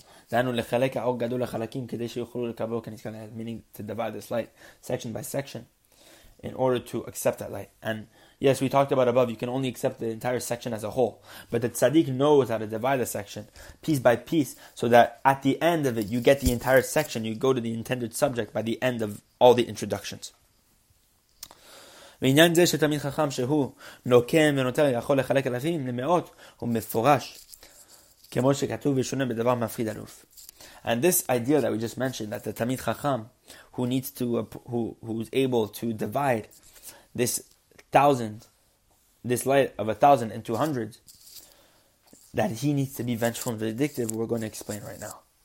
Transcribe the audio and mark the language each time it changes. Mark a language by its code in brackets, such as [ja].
[en] Meaning to divide this light section by section in order to accept that light. And yes, we talked about above, you can only accept the entire section as a whole. But the tzaddik knows how to divide a section piece by piece so that at the end of it, you get the entire section, you go to the intended subject by the end of all the introductions. [he] ועניין זה שתמיד חכם שהוא נוקם ונותר יכול לחלק אלפים למאות הוא מפורש. [en] And this idea that we just mentioned, that the Tamid Chacham, who's able to divide this thousand, this light of a thousand into hundreds, that he needs to be vengeful and vindictive, we're going to explain right now.